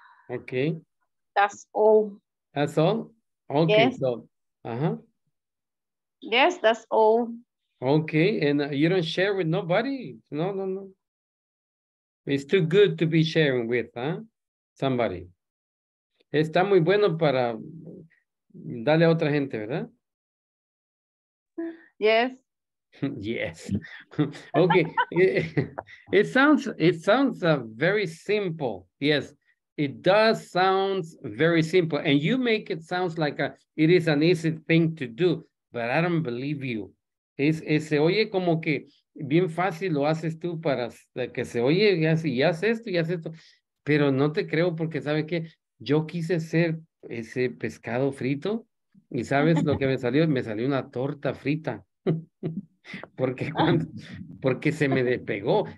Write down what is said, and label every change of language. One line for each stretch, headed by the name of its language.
English: Okay. That's all. That's all? Okay, yes. So, uh-huh. Yes, that's all. Okay, and you don't share with nobody? No, no, no. It's too good to be sharing with, huh? Somebody.
Spanish: Está muy bueno para darle a otra gente, ¿verdad?
English: Yes. Yes. Okay. It sounds very simple. Yes, it does sound very simple. And you make it sound like it is an easy thing to do, but I don't believe you.
Spanish: Se oye como que bien fácil lo haces tú para que se oye y haces esto y haces esto. Pero no te creo porque, ¿sabe qué? Yo quise hacer ese pescado frito y ¿sabes lo que me salió? Me salió una torta frita. Porque se me despegó.